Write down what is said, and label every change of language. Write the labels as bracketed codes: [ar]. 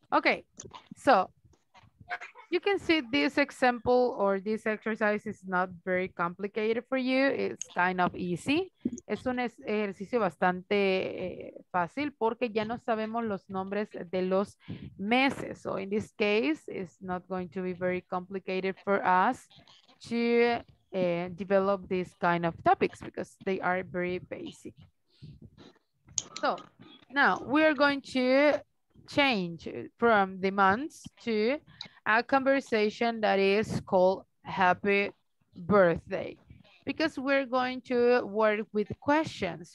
[en] Okay, so you can see this example or this exercise is not very complicated for you. It's kind of easy. [es] Es un ejercicio bastante fácil porque ya no sabemos los nombres de los meses. [en] So in this case, it's not going to be very complicated for us to develop these kind of topics because they are very basic. So now we are going to change from the months to a conversation that is called happy birthday, because we're going to work with questions.